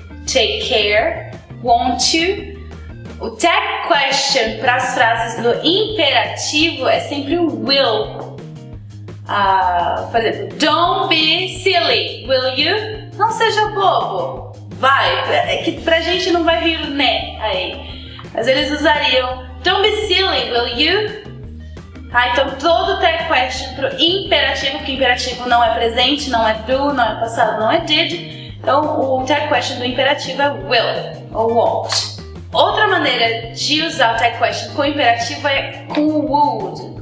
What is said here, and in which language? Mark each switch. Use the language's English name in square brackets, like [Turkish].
[English] Take care, won't you? [Portuguese] O tag question para as frases do imperativo é sempre o will. Por exemplo, [English] don't be silly, will you? [Portuguese] Não seja bobo, vai. É que pra gente não vai vir né aí. Mas eles usariam, [English] don't be silly, will you? [Portuguese] Tá, então todo tag question pro imperativo, que imperativo não é presente, não é do, não é passado, não é did. Então o tag question do imperativo é will ou won't. Outra maneira de usar o tag question com o imperativo é com o would.